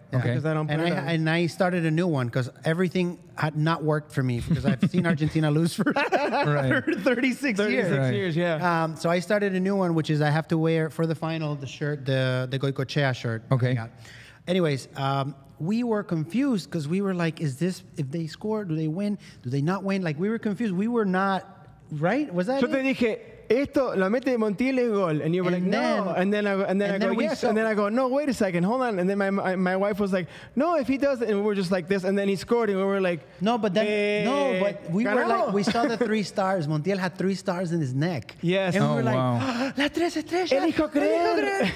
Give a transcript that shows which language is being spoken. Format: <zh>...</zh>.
<en>And I started a new one because everything had not worked for me because I've seen Argentina lose for 36 years, yeah. So I started a new one, which is I have to wear for the final the shirt, the Goicochea shirt. Okay. Anyways, we were confused because we were like, is this, if they score, do they win? Do they not win? Like, we were confused. We were not, right? Was that</en> <es>Yo te dije, esto, la mete de Montiel es gol.</es> <en>And you were like, then, no. And then I go, no, wait a second, hold on. And then my wife was like, no, if he does it. And we were just like this. And then he scored and we were like, we saw the three stars. Montiel had three stars in his neck. Yes.</en> <es>And la tres estrellas. El hijo creer.</es>